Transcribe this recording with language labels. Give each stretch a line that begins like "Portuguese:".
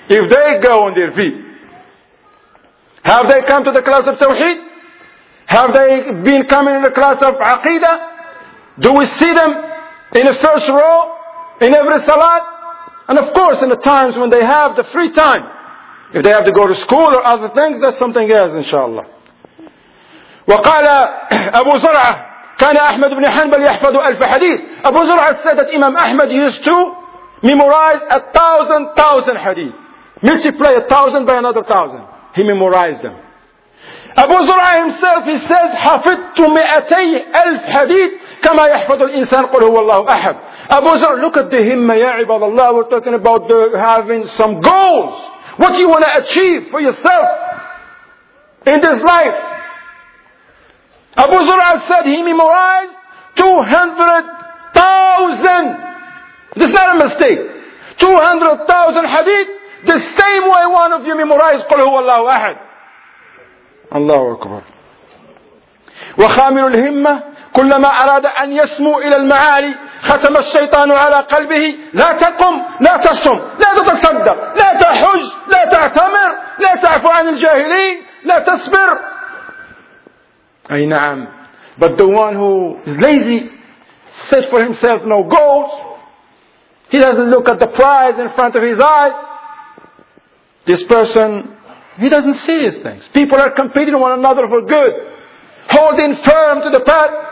English: If they go on their feet. Have they come to the class of Tawheed? Have they been coming in the class of Aqidah? Do we see them in the first row? In every Salat? And of course, in the times when they have the free time. If they have to go to school or other things, that's something else, inshallah.
Arabic: وقال أبو زرعة كان أحمد بن حنبل يحفظ 1,000 حديث.
English: Abu Zur'a said that Imam Ahmad used to memorize 1,000 hadith. Multiply 1,000 by another 1,000. He memorized them. Abu Zur'a himself, he says,
Arabic: حفظت 200,000 حديث كما يحفظ الإنسان قل هو الله أحد.
English: Abu Zur'a, look at the himma,
Arabic: ya ibadallah,
English: we're talking about having some goals. What do you want to achieve for yourself in this life? Abu Zur'a said he memorized 200,000. This is not a mistake. 200,000 hadith, the same way one of you memorized
Arabic: قل هو الله أحد. الله أكبر. وخامل الهمة كلما أراد أن يسمو إلى المعالي ختم الشيطان على قلبه لا تقم لا تصم لا تتصدق لا تحج لا تعتمر لا تعفو عن الجاهلين لا تصبر. أي نعم.
English: But the one who is lazy sets for himself no goals. He doesn't look at the prize in front of his eyes. This person, he doesn't see these things. People are competing one another for good. Holding firm to the path.